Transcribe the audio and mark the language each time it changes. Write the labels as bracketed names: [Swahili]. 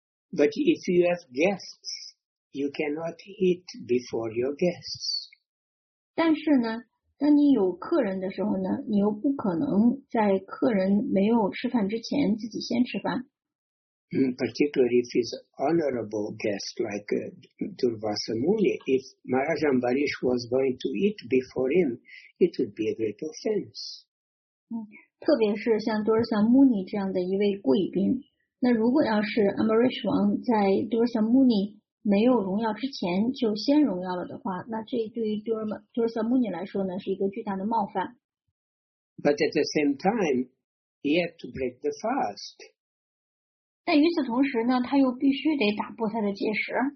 [English] But if you have guests, you cannot eat before your guests. [Chinese] 但是呢，当你有客人的时候呢，你又不可能在客人没有吃饭之前自己先吃饭。 [English] Particularly if it's honorable guest like Durvasa Muni, if Maharaj Ambarish was going to eat before him, it would be a great offense. [Chinese] 特别是像 Durvasa Muni 这样的一位贵宾。那如果要是 Ambarish 王在 Durvasa Muni 没有荣耀之前就先荣耀了的话，那这对于 Durvasa Muni 来说呢，是一个巨大的冒犯。 [English] But at the same time, he had to break the fast. [Chinese] 但与此同时呢，他又必须得打破他的戒食。